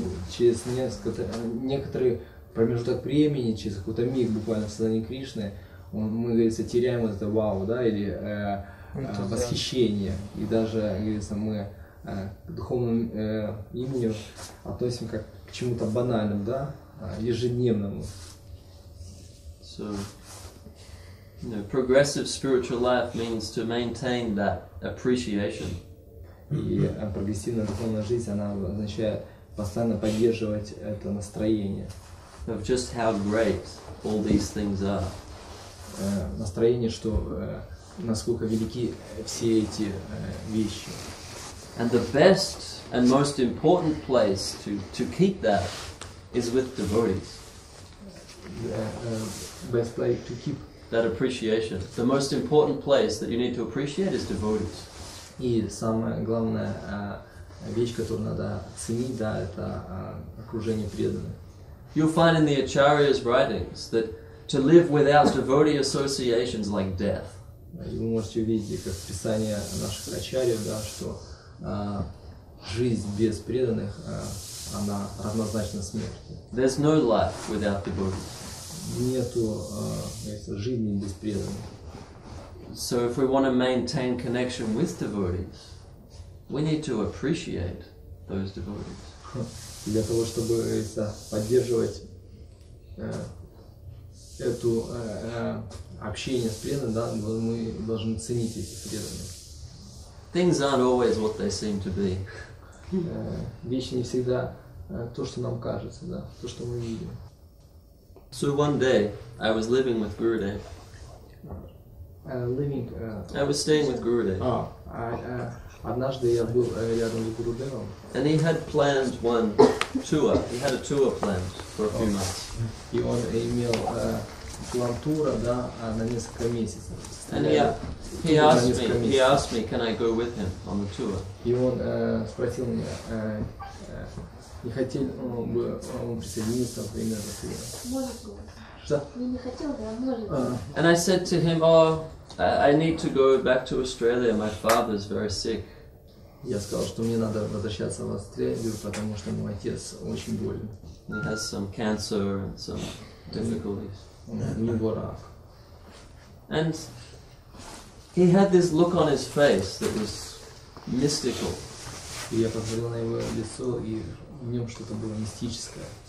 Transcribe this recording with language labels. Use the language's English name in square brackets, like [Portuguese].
[Russian] Через некоторый промежуток времени, через какой-то миг буквально в сознании Кришны, мы, говорится, теряем это вау, да, или восхищение. И даже, говорится, мы к духовному имени относим как к чему-то банальному, да? ежедневному. [English] So, you know, progressive spiritual life means to maintain that appreciation. [Russian] И прогрессивная духовная жизнь, она означает постоянно поддерживать это настроение. [English] Of just how great all these things are. [Russian] Настроение, что насколько велики все эти вещи. [English] And the best and most important place to keep that is with devotees. Best place to keep that appreciation. The most important place that you need to appreciate is devotees. [Russian] И самая главная вещь, которую надо ценить, да, это окружение преданных. [English] You'll find in the Acharya's writings that to live without devotee associations like death. [Russian] Вы можете увидеть, как писание наших Ачарьев, да, что жизнь без преданных, она равнозначна смерти. [English] There's no life without devotees. [Russian] Нету жизни без преданных. [English] So if we want to maintain connection with devotees, we need to appreciate those devotees. [Russian] Для того, чтобы поддерживать эту общение с преданными, да, мы должны ценить эти преданные. [English] Things aren't always what they seem to be. [Russian] Вещи не всегда то, что нам кажется, да, то, что мы видим. [English] So one day I was living with Gurudev. I was staying with Gurudev. [Russian] Однажды я был рядом с Гурудевом. [English] And he had planned one tour. He had a tour planned for a few months. [Russian] И он имел план тура, да, на несколько месяцев. [English] And he asked me, can I go with him on the tour? [Russian] И он спросил меня, не хотел бы он присоединиться во время этого тура. Может. [English] And I said to him, oh, I need to go back to Australia, my father is very sick. [Russian] Я сказал, что мне надо возвращаться в Австралию, потому что мой отец очень болен. [English] He has some cancer and some difficulties. [Russian] У него рак. [English] And he had this look on his face that was mystical. [Russian] И я посмотрел на его лицо, и в нем что-то было мистическое.